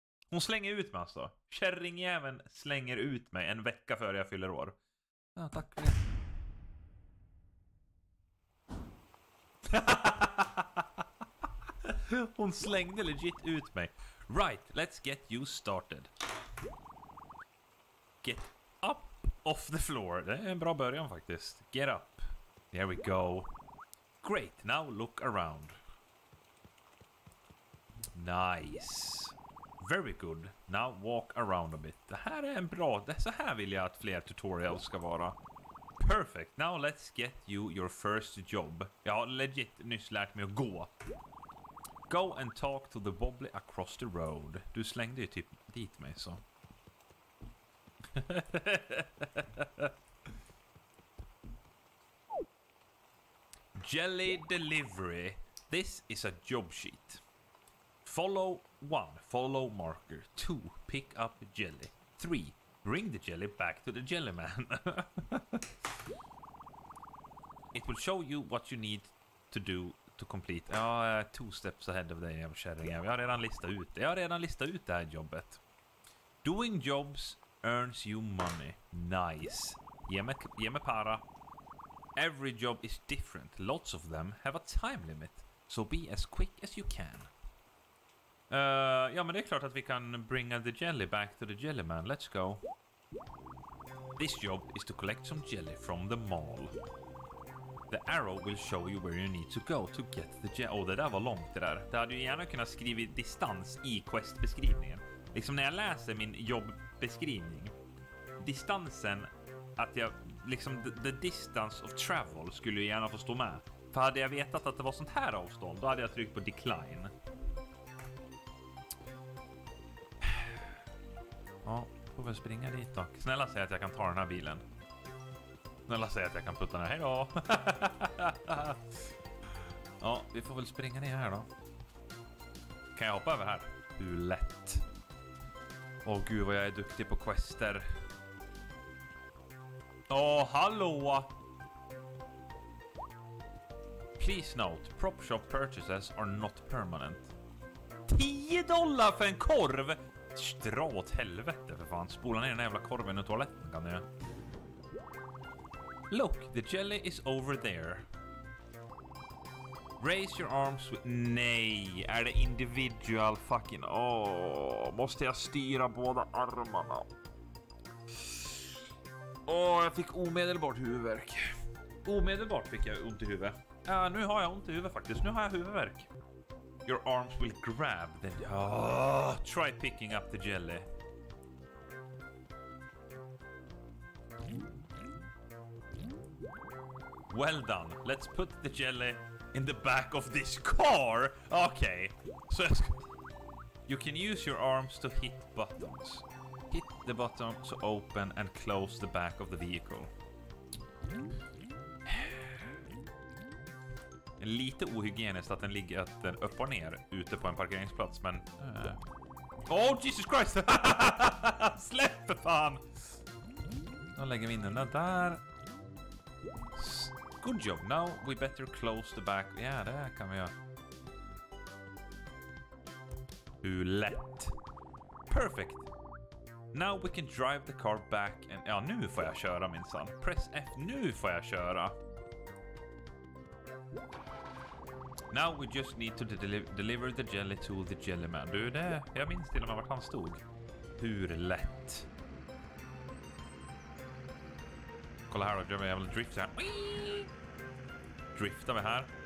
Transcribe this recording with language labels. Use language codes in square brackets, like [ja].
[sv] Hon slänger ut mig alltså. Kärringjäveln slänger ut mig en vecka före jag fyller år. Ja, tack för det. Hon slängde legit ut mig. [en] Right, let's get you started. Get up off the floor. [sv] Det är en bra början faktiskt. [en] Get up. There we go. Great, now look around. Nice. Very good. Now walk around a bit. [sv] Det här är en bra... Det är så här vill jag att fler tutorials ska vara. [en] Perfect. Now let's get you your first job. [sv] Jag har legit nyss lärt mig att gå. [en] Go and talk to the wobbly across the road. [sv] Du slängde ju typ dit mig så. [en] Jelly delivery. This is a job sheet. Follow 1. Follow marker. 2. Pick up jelly. 3. Bring the jelly back to the jelly man. It will show you what you need to do to complete. Ja, two steps ahead of the sharing. [sv] Jag har redan listat ut det här jobbet. [en] Doing jobs earns you money. Nice. [sv] Ge mig para. [en] Every job is different. Lots of them have a time limit. So be as quick as you can. [sv] Ja, men det är klart att vi kan bringa [en] the jelly back to the jelly man. Let's go. This job is to collect some jelly from the mall. The arrow will show you where you need to go to get the jelly. [sv] Oh, det där var långt det där. Det hade ju gärna kunnat skriva distans i questbeskrivningen. Liksom när jag läser min jobbeskrivning. Distansen att jag... Liksom [en] the distance of travel [sv] skulle ju gärna få stå med. För hade jag vetat att det var sånt här avstånd, då hade jag tryckt på decline. Ja, får väl springa dit då. Snälla säg att jag kan ta den här bilen. Snälla säg att jag kan putta den här. Hej då! Ja, vi får väl springa ner här då. Kan jag hoppa över här? Hur lätt. Åh gud vad jag är duktig på quester. Åh, hallå! [en] Please note, prop shop purchases are not permanent. [sv] $10 för en korv! Dra åt helvete för fan. Spola ner den jävla korven ur toaletten kan jag. [en] Look, the jelly is over there. Raise your arms with... [sv] Nej, är det [en] individual fucking... [sv] Åh, måste jag styra båda armarna? Åh, jag fick omedelbart huvudvärk. Omedelbart fick jag ont i huvudet. Ja, nu har jag ont i huvudet faktiskt. Nu har jag huvudvärk. [en] Your arms will grab the... Oh, try picking up the jelly. Well done. Let's put the jelly in the back of this car. Okay. So you can use your arms to hit buttons. Hit the button to open and close the back of the vehicle. [sv] Lite ohygieniskt att den ligger att den upp och ner ute på en parkeringsplats, men... [en] Oh, Jesus Christ! [sv] Släpp, fan! Då lägger vi in den där. [en] Good job. Now we better close the back. [sv] Ja, det här kan vi göra. [en] Lätt. Perfect. Now we can drive the car back and... [sv] Ja, nu får jag köra min son. [en] Press F. [sv] Nu får jag köra. [en] Now we just need to deliver the jelly to the jelly man. [sv] Du, det... Jag minns till och med vart han stod. Hur lätt. Kolla här då. Gör vi en jävla drift här. Driftar vi här.